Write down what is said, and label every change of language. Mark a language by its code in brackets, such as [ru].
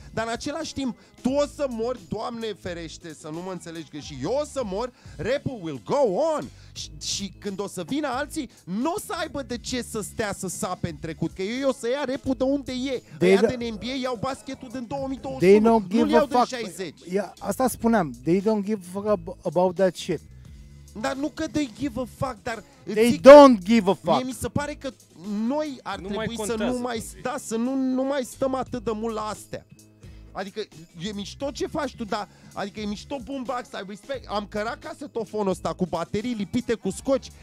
[ro] Dar în același timp, tu o să mori, Doamne ferește, să nu mă înțelegi greșit. Eu o să mor, rap-ul [en] will go on. [ro] Și când o să vină alții, n-o să aibă de ce să stea să sape în trecut. Că eu o să ia rap-ul de unde e. Ăia din NBA iau basketul din 2021, nu-l iau din 60. Asta spuneam, [en] they don't give a fuck about that shit. [ro] Dar nu că [en] they give a fuck, [ro] dar... [en] They don't give a fuck. [ro] Mie mi se pare că noi ar trebui să nu mai stăm atât de mult la astea. Adică e mișto ce faci tu, dar... Adică e mișto boombox, [en] I respect. [ro] Am cărat casetofonul ăsta cu baterii lipite cu scoci.